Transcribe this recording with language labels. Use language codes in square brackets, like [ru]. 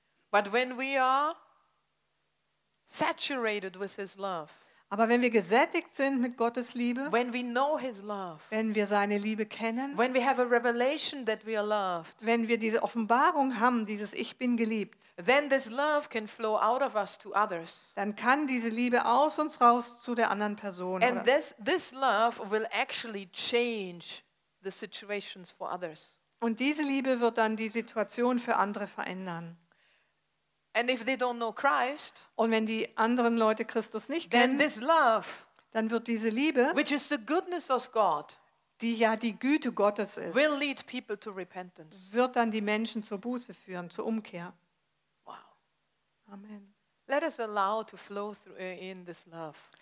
[en] But when we are saturated with his love. [de] Aber wenn wir gesättigt sind mit Gottes Liebe, [en] when we know his love, [de] wenn wir seine Liebe kennen, [en] when we have a revelation that we are loved, [de] wenn wir diese Offenbarung haben, dieses Ich bin geliebt, [en] then this love can flow out of us to others. [de] Dann kann diese Liebe aus uns raus zu der anderen Person. [en] And this love will actually change the situations for others. [de] Und diese Liebe wird dann die Situation für andere verändern. [en] And if they don't know Christ, [de] und wenn die anderen Leute Christus nicht kennen, [en] this love, [de] dann wird diese Liebe, [en] which is the goodness of God, [de] die ja die Güte Gottes ist, [en] will lead people to repentance. [de] Wird dann die Menschen zur Buße führen, zur Umkehr. [en] Wow. Amen. Let us allow to flow through in this love.